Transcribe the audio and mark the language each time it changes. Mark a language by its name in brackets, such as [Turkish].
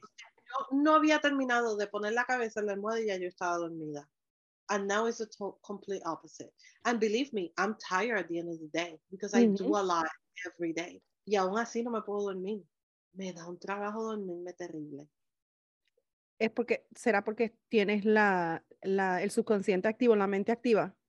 [Spanish] Yo no había terminado de poner la cabeza en la almohada y ya yo estaba dormida. [English] And now it's the complete opposite. And believe me, I'm tired at the end of the day because mm-hmm. I do a lot every day. [Spanish] Y aún así no me puedo dormir. Me da un trabajo dormirme terrible. Es porque, ¿será porque tienes el subconsciente activo, la mente activa?